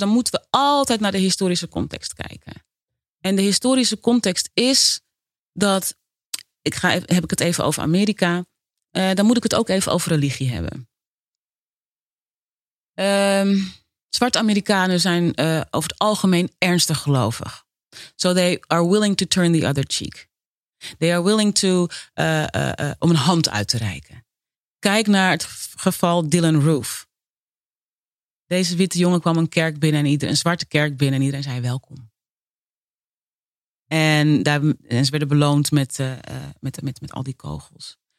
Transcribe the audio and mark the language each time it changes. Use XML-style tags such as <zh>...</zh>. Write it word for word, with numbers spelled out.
<nl>dan moeten we altijd naar de historische context kijken. En de historische context is dat... Ik ga, heb ik het even over Amerika. Uh, dan moet ik het ook even over religie hebben. Um, Zwarte Amerikanen zijn uh, over het algemeen ernstig gelovig.</nl> <en>So they are willing to turn the other cheek. They are willing to,</en> <nl>uh, uh, uh, om een hand uit te reiken. Kijk naar het geval Dylan Roof. Deze witte jongen kwam een kerk binnen, en iedereen, een zwarte kerk binnen, en iedereen zei welkom. En, daar, en ze werden beloond met, uh, met, met, met al die kogels.</nl>